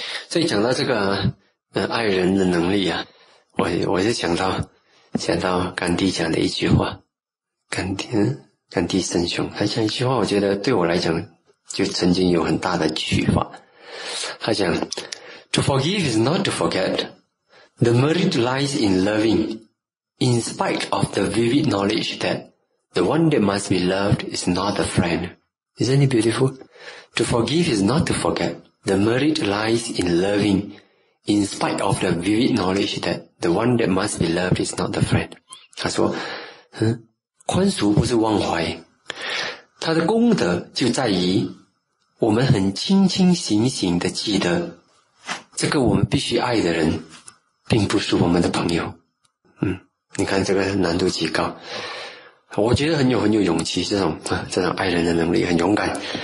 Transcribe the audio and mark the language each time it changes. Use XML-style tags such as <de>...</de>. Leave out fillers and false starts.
<zh>所以讲到这个啊，爱人的能力啊，我就想到甘地讲的一句话，甘地圣雄，他讲一句话，我觉得对我来讲就曾经有很大的启发。他讲</zh> <en>：“To forgive is not to forget. The merit lies in loving, in spite of the vivid knowledge that the one that must be loved is not a friend. Isn't it beautiful? To forgive is not to forget. The merit lies in loving.” In spite of the vivid knowledge that the one that must be loved is not the friend.</en> <zh>他说，宽恕不是忘怀，他的功德就在于我们很清清醒醒的记得这个我们必须爱的人并不是我们的朋友。嗯，你看这个难度极高。我觉得很有勇气，这种爱人的能力很勇敢。</zh>